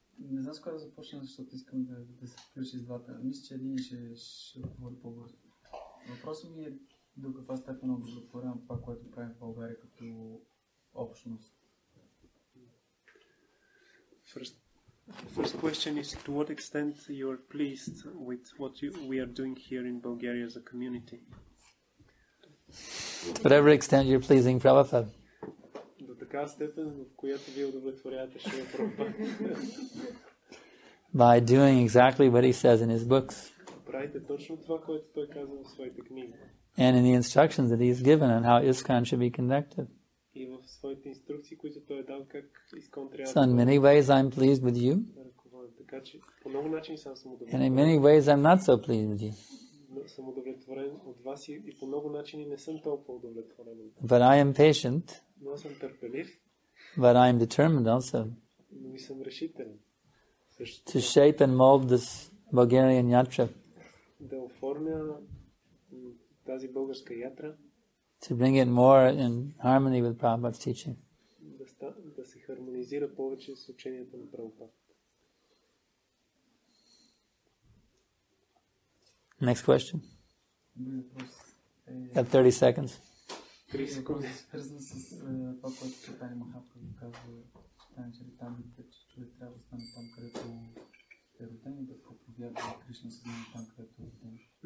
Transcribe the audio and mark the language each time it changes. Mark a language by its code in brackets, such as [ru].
[bg] Не знам с кой да започна, защото искам да се включи с двата. Мисля, че един ще говори по-бързо. Въпросът ми е до каква степен удовлетворявам това, което правим в България като общност. [en] First question is, to what extent you are pleased with what we are doing here in Bulgaria as a community? Whatever extent you're pleasing Prabhupada. [bg] До такава степен, в която ви удовлетворяете Шрила Прабхупада. [en] By doing exactly what he says in his books. [bg] Правите точно това, което той казва в своите книги. [en] And in the instructions that he's given on how ISKCON should be conducted. [bg] И в своите инструкции, които той е дал как ИСКОН трябва. [en] So in many ways I'm pleased with you. [bg] Така че по много начин сам съм удовлетворен. [en] And in many ways I'm not so pleased with you. [bg] Съм удовлетворен от вас и по много начини не съм толкова удовлетворен. [en] But I am patient. [bg] Но съм търпелив. [en] But I am determined also. [bg] Но и съм решителен. [en] To shape and mold this Bulgarian yatra. [bg] Да оформя тази българска ятра. [en] To bring it more in harmony with Prabhupada's teaching. [bg] Да се хармонизира повече с ученията на [en] Прабхупада. Next question. Got 30 seconds. [bg] 3 секунди. Свързано с това, което Чайтани Махапрабху казва, Чайтаничаритамрита, че човек трябва да стане там, където е роден и да проповядва Кришна съзнание там, където е роден.